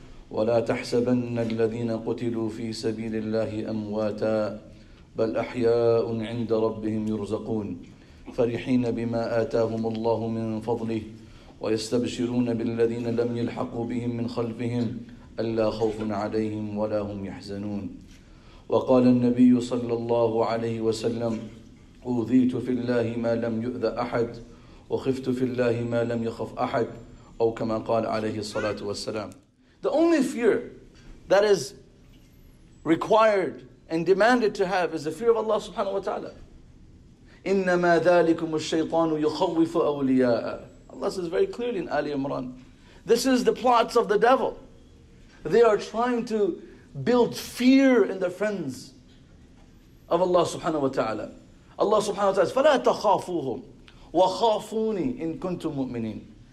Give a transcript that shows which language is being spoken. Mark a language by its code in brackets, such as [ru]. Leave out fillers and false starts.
[ar] ولا تحسبن الذين قتلوا في سبيل الله أمواتا بل أحياء عند ربهم يرزقون فرحين بما آتاهم الله من فضله ويستبشرون بالذين لم يلحقوا بهم من خلفهم ألا خوف عليهم ولا هم يحزنون وقال النبي صلى الله عليه وسلم أوذيت في الله ما لم يؤذ أحد وخفت في الله ما لم يخف أحد أو كما قال عليه الصلاة والسلام. [en] The only fear that is required and demanded to have is the fear of Allah subhanahu wa ta'ala. [ar] إنما ذلكم الشيطان يخوف أولياء. [en] Allah says very clearly in Ali Imran, this is the plots of the devil. They are trying to build fear in the friends of Allah subhanahu wa ta'ala. Allah subhanahu wa ta'ala says, [ar] فَلَا تَخَافُوهُمْ وَخَافُونِي إِن كُنْتُمْ مُؤْمِنِينَ.